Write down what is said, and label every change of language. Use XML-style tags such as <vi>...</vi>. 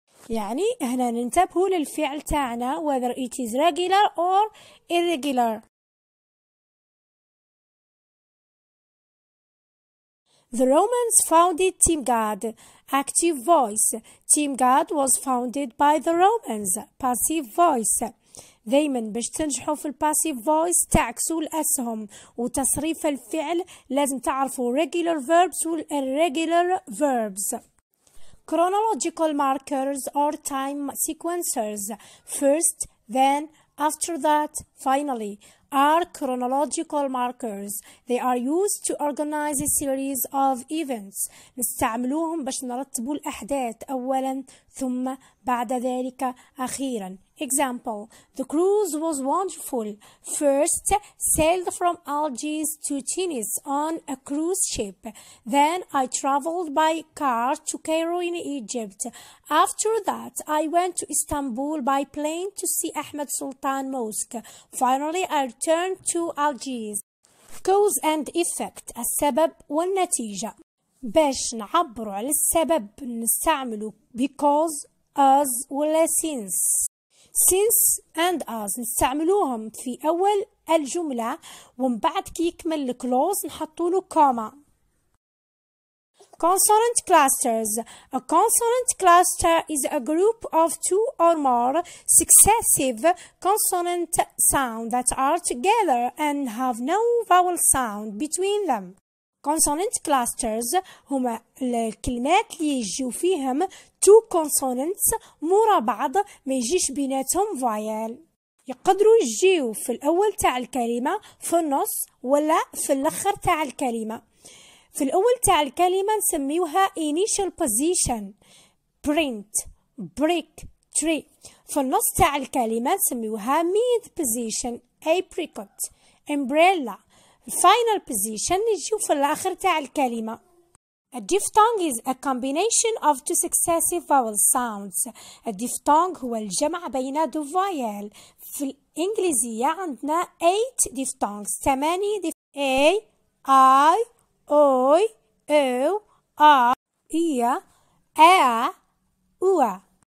<ar>يعني هنا ننتبه للفعل تاعنا</ar> <en>whether it is regular or irregular. The Romans founded Team God. Active voice. Team God was founded by the Romans. Passive voice.</en> <ar>دايما باش تنجحوا في الباسيف فويس تعكسوا الاسهم وتصريف الفعل لازم تعرفوا regular verbs والirregular verbs.</ar> <en>Chronological markers or time sequencers. First, then, after that, finally are chronological markers. They are used to organize a series of events.</en> <ar>نستعملوهم باش نرتبوا الاحداث اولا ثم بعد ذلك اخيرا.</ar> <en>Example, the cruise was wonderful. First, sailed from Algiers to Tunis on a cruise ship. Then, I traveled by car to Cairo in Egypt. After that, I went to Istanbul by plane to see Ahmed Sultan Mosque. Finally, I returned to Algiers. Cause and effect,</en> <ar>السبب والنتيجة. باش نعبروا على السبب نستعملوا because, as, ولا since.</ar> <en>Since and as</en> <ar>نستعملوهم في أول الجملة ومن بعد كي يكمل الكلوز نحطو له كوما.</ar> <en>Consonant clusters. A consonant cluster is a group of two or more successive consonant sounds that are together and have no vowel sound between them.</en> <ar>Consonant clusters هما الكلمات اللي يجيو فيهم</ar> <en>two consonants</en> <ar>مورا بعض ما يجيش بيناتهم vowel. يقدروا يجيو في الأول تاع الكلمة، في النص، ولا في الأخر تاع الكلمة. في الأول تاع الكلمة نسميوها initial position.</ar> <en>Print, brick, tree.</en> <ar>في النص تاع الكلمة نسميوها mid position.</ar> <en>Apricot, umbrella. Final position</en> <ar>نجيو في الآخر تاع الكلمة.</ar> <en>A diphthong is a combination of two successive vowel sounds.</en> <ar>A diphthong هو الجمع بين دو فايل. في الإنجليزية عندنا 8 diphthongs.</ar> <en>8 diphthongs. A, I, O, O, A, I, A, U, A.</en>